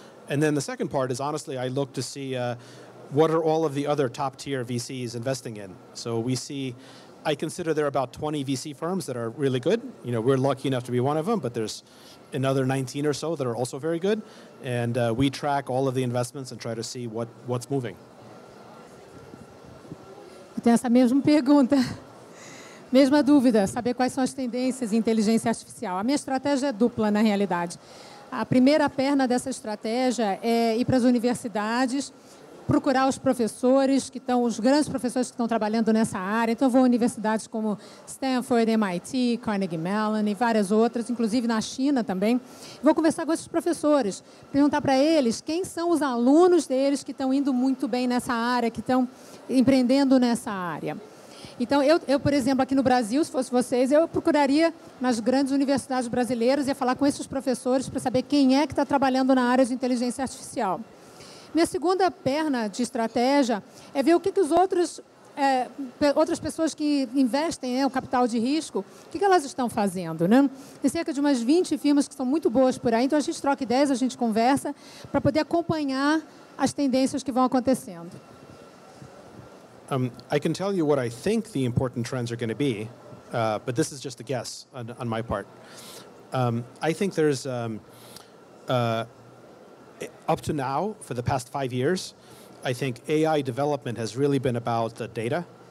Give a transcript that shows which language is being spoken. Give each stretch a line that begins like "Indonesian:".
English: And then the second part is, honestly, I look to see what are all of the other top-tier VCs investing in. So we see, I consider there are about 20 VC firms that are really good. You know, we're lucky enough to be one of them, but there's another 19 or so that are also very good. And we track all of the investments and try to see what's moving.
Portuguese: Eu tenho essa mesma pergunta. Mesma dúvida, saber quais são as tendências em inteligência artificial. A minha estratégia é dupla, na realidade. A primeira perna dessa estratégia é ir para as universidades, procurar os professores, que estão, os grandes professores que estão trabalhando nessa área. Então, eu vou a universidades como Stanford, MIT, Carnegie Mellon e várias outras, inclusive na China também. Vou conversar com esses professores, perguntar para eles quem são os alunos deles que estão indo muito bem nessa área, que estão empreendendo nessa área. Então, eu, por exemplo, aqui no Brasil, se fosse vocês, eu procuraria nas grandes universidades brasileiras e ia falar com esses professores para saber quem é que está trabalhando na área de inteligência artificial. Minha segunda perna de estratégia é ver o que, que os outros, outras pessoas que investem o capital de risco, o que, que elas estão fazendo. Né? Tem cerca de umas 20 firmas que são muito boas por aí, então a gente troca ideias, a gente conversa para poder acompanhar as tendências que vão acontecendo.
English: I can tell you what I think the important trends are going to be, but this is just a guess on my part. I think there's, up to now, for the past 5 years, I think AI development has really been about the data.